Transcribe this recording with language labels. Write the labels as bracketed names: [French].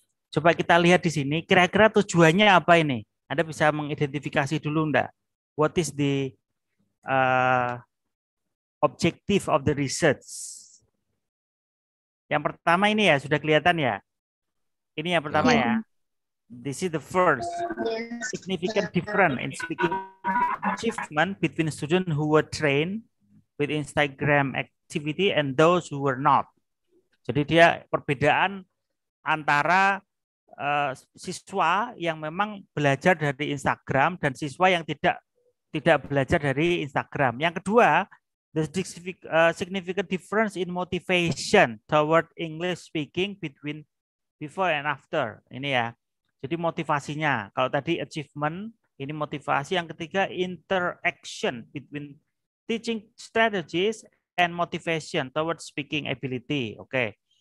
[Indonesian] Coba kita lihat di sini, kira-kira tujuannya apa ini? Anda bisa mengidentifikasi dulu enggak? [English] What is the... objective of the research. [Indonesian] Yang pertama ini ya, sudah kelihatan ya? Ini yang pertama ya. [English] This is the first significant difference in speaking achievement between students who were trained with Instagram activity and those who were not. [Indonesian] Jadi dia perbedaan antara siswa yang memang belajar dari Instagram dan siswa yang tidak belajar dari Instagram. Yang kedua, [English] the significant difference in motivation toward English speaking between before and after. [Indonesian] Ini ya. Jadi motivasinya. Kalau tadi achievement, ini motivasi. Yang ketiga, [English] interaction between teaching strategies and motivation toward speaking ability. Oke.